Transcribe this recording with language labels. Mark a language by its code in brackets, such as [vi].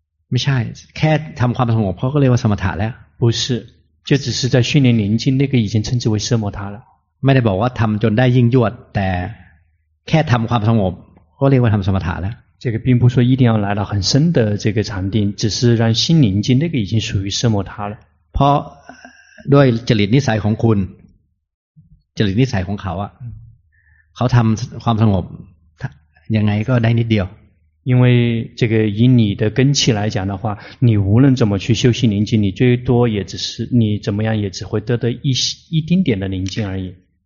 [th] ไม่ใช่แค่ทำความสงบเขาก็เรียกว่าสมถะแล้ว [zh] 不是就只是在训练宁静，那个已经称之为奢摩他了。 [th] ไม่ได้บอกว่าทำจนได้ยิ่งยวดแต่แค่ทำความสงบก็เรียกว่าทำสมถะแล้ว。 [zh] 这个并不说一定要来到很深的这个禅定，只是让心宁静，那个已经属于奢摩他了。 [th] เพราะด้วยจริตนิสัยของคุณจริตนิสัยของเขาอ่ะเขาทำความสงบยังไงก็ได้นิดเดียว [zh] 因为这个以你的根气来讲的话，你无论怎么去修习宁静，你最多也只是你怎么样也只会得到一丁点的宁静而已。